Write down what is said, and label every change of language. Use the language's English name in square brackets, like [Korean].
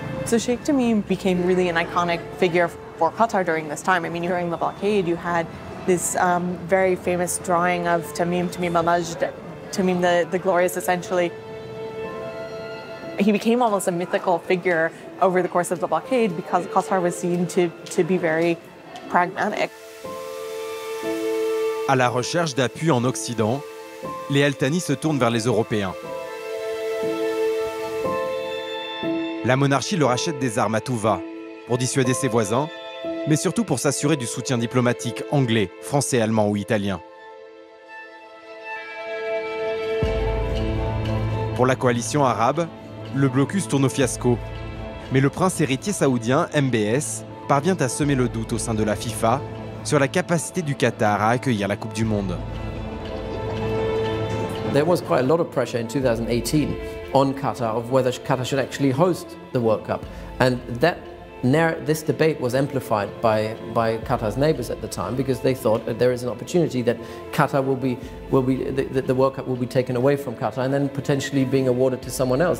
[English] So Sheikh Tamim became really an iconic figure for Qatar during this time. I mean, during the blockade, you had this very famous drawing of Tamim al-Majd, Tamim the Glorious, essentially. He became almost a mythical figure over the course of the blockade because Qatar was seen to be very pragmatic. [French] À la recherche d'appui en Occident, les Al-Thani se tournent vers les Européens. La monarchie leur achète des armes à tout va pour dissuader ses voisins, mais surtout pour s'assurer du soutien diplomatique anglais, français, allemand ou italien. Pour la coalition arabe, le blocus tourne au fiasco. Mais le prince héritier saoudien, MBS, parvient à semer le doute au sein de la FIFA sur la capacité du Qatar à accueillir la Coupe du Monde. [English] There was quite a lot of pressure in 2018 on Qatar of whether Qatar should actually host the World Cup. And that this debate was amplified by Qatar's neighbors at the time because they thought that there is an opportunity that Qatar that the World Cup will be taken away from Qatar and then potentially being awarded to someone else.